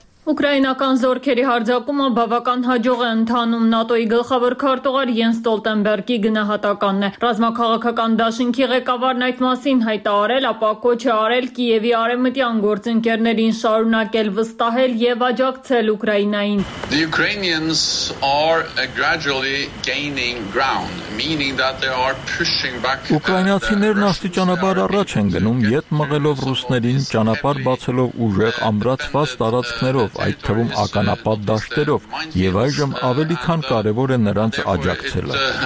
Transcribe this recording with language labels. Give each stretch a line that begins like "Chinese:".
Armenian: Ուկրաինական զորքերի հարձակումը բավական հաջող է ընթանում, ՆԱՏՕ-ի գլխավոր քարտուղար Յենս Ստոլտենբերգի գնահատականն է։ Ռազմաքաղաքական դաշինքի ղեկավարն այդ մասին հայտարարել, ապա կոչ է արել Կիևի արևմտյան գործընկերներին շարունակել վստահել և աջակցել Ուկրաինային։
English: The Ukrainians are gradually gaining ground, meaning that they are pushing back.
Armenian: Ուկրաինացիներն աստիճանաբար առաջ են գնում, ետ մղելով ռուսներին, ճանապարհ բացելով ուժեղ ամրացված տարածքներ, այդ թվում ականապատ դաշտերով, և այժմ ավելի քան կարևոր է նրանց աջակցելը։